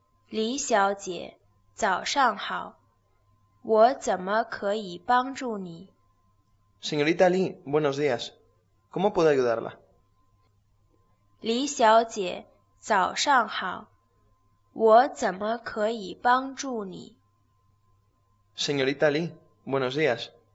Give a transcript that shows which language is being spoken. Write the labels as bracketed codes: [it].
[zh] 李小姐, 早上好, 我怎么可以帮助你? [es] Señorita Li, buenos días. ¿Cómo puedo ayudarla? [zh] 李小姐, 早上好, 我怎么可以帮助你? [es] Señorita Li, buenos días.